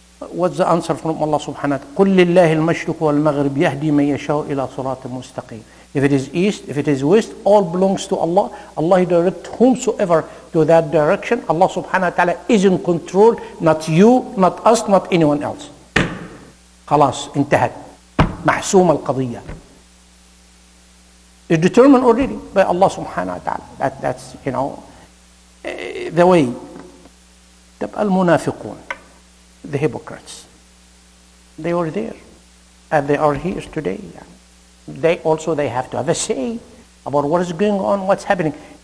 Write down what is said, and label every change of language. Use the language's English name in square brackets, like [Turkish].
[English] What's the answer from Allah subhanahu wa ta'ala? [Arabic] قُلْ لِلَّهِ الْمَشْرِقُ وَالْمَغْرِبِ يَهْدِي مَنْ يَشَاءُ إِلَى صُرَاطٍ مُسْتَقِيمٍ. [English] If it is east, if it is west, all belongs to Allah. Allah directs whomsoever to that direction. Allah subhanahu wa ta'ala is in control, not you, not us, not anyone else. [Arabic] خلاص انتهت، محسومة القضية. [English] It's determined already by Allah [Arabic] سبحانه وتعالى. [English] That's you know the way. [Arabic] تبقى المنافقون، [English] the hypocrites. They were there, and they are here today. They also they have to have a say about what is going on, what's happening.